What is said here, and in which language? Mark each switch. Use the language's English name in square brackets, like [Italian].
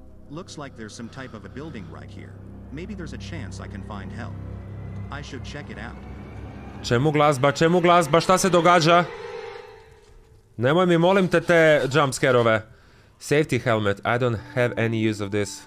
[English] Looks like there's some type of a building right here. Maybe there's a chance I can find help. I should check it out. [Croatian] Čemu glazba, šta se događa? Nemoj mi molim te jumpscare-ove. [English] Safety helmet, I don't have any use of this.